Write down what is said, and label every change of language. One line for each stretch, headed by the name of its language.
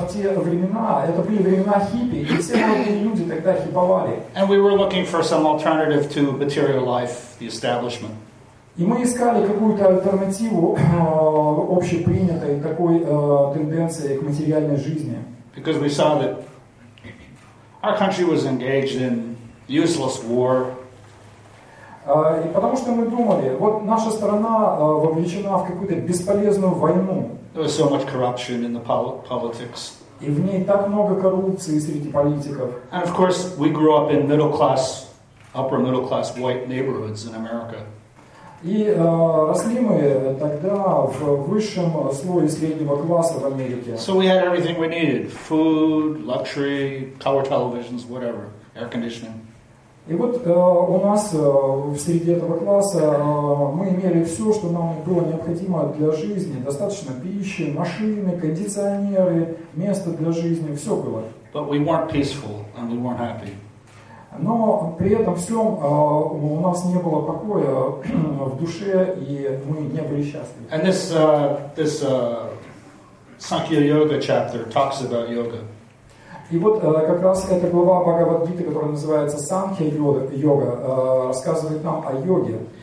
Russian: В те времена, это были времена хиппи, и все молодые люди тогда хипповали.
English: And we were looking for some alternative to material life, the establishment.
Russian: И мы искали какую-то альтернативу общепринятой такой тенденции к материальной жизни.
English: Because we saw that our country was engaged in useless war.
Russian: Потому что мы думали, вот наша страна вовлечена в какую-то бесполезную войну.
English: There was so much corruption in the politics.
Russian: И в ней так много коррупции среди политиков.
English: And of course, we grew up in middle-class, upper-middle-class white neighborhoods in America.
Russian: И росли мы тогда в высшем слое среднего класса в Америке.
English: So we had everything we needed. Food, luxury, color televisions, whatever, air conditioning.
Russian: И вот у нас в среде этого класса мы имели все, что нам было необходимо для жизни. Достаточно пищи, машины, кондиционеры, место для жизни, все было.
English: But we weren't peaceful and we weren't happy.
Russian: Но при этом всем у нас не было покоя в душе, и мы не были счастливы.
English: And this Sankhya Yoga chapter talks about yoga.
Russian: И вот как раз эта глава Бхагавад-гиты, которая называется Санхья йога, рассказывает нам о йоге.